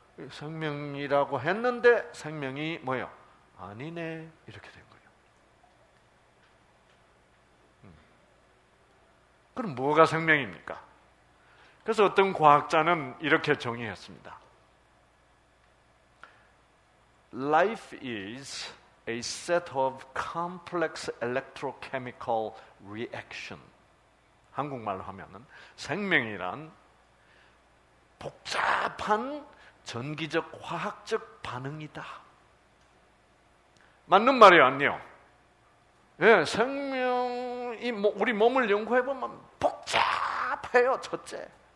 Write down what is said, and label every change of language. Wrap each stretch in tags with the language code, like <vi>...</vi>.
<ko>생명이라고 했는데 생명이 뭐예요? 아니네. 이렇게 된 거예요. 그럼 뭐가 생명입니까? 그래서 어떤 과학자는 이렇게 정의했습니다.</ko> <en>Life is a set of complex electrochemical reaction.</en> <ko>한국말로 하면은 생명이란 복잡한 전기적 화학적 반응이다. 맞는 말이 아니요. 예, 생명이 우리 몸을 연구해 보면 복잡해요, 첫째.</ko>